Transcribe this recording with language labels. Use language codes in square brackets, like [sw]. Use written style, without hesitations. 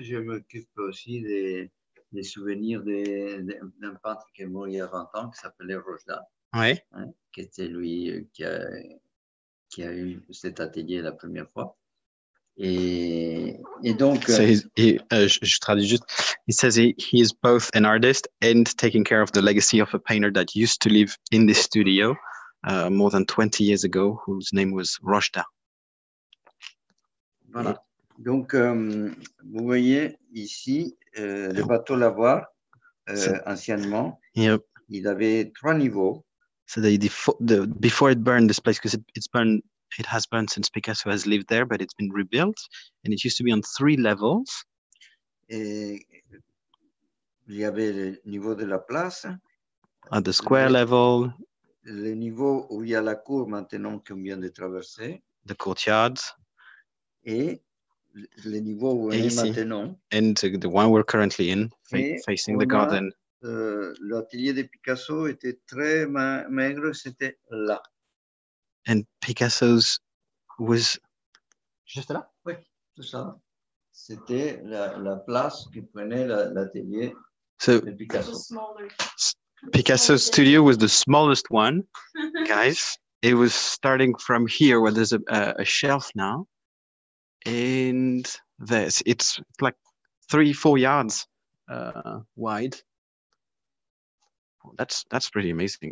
[fr] Je m'occupe aussi des souvenirs d'un peintre qui est mort il y a 20 ans, qui s'appelait Rojda. Oui. Hein, qui était lui qui a eu cet atelier la première fois. Et donc... So je traduis juste. [en] He says he is both an artist and taking care of the legacy of a painter that used to live in this studio. More than 20 years ago, whose name was Rojda. [fr] Voilà. Donc, vous voyez ici le bateau Lavoir, anciennement. [en] Yep. [fr] Il avait trois niveaux. [en] So before it burned, this place, because it has burned since Picasso has lived there, but it's been rebuilt, and it used to be on three levels. [fr] Et, il y avait le niveau de la place. [en] At the square level. [fr] Le niveau où il y a la cour maintenant qu'on vient de traverser. [en] The courtyard. [fr] Et le niveau où on est maintenant. [en] And the one we're currently in, facing the garden. [fr] L'atelier de Picasso était très maigre, c'était là. [en] And Picasso's was... [fr] Juste là? Oui, tout ça. C'était la place que prenait l'atelier de Picasso. [en] Picasso's studio was the smallest one, guys. It was starting from here, where there's a shelf now, and this. It's like 3-4 yards wide. That's pretty amazing.